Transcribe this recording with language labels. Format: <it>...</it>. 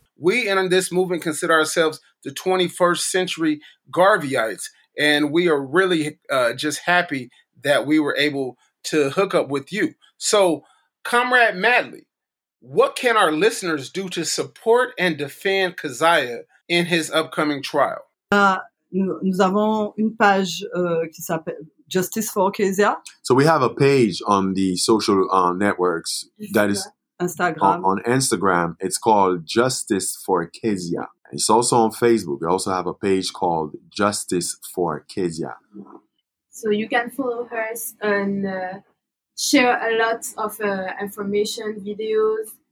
<en>We in this movement consider ourselves the 21st century Garveyites, and we are really just happy that we were able to hook up with you. So, Comrade Madley, what can our listeners do to support and defend Keziah in his upcoming trial?</en> <fr>Nous avons une page qui s'appelle Justice for Keziah.</fr> <en>So we have a page on the social networks that is Instagram. On Instagram, it's called Justice for Keziah. It's also on Facebook. We also have a page called Justice for Keziah. So you can follow hers and share a lot of information, videos.</en>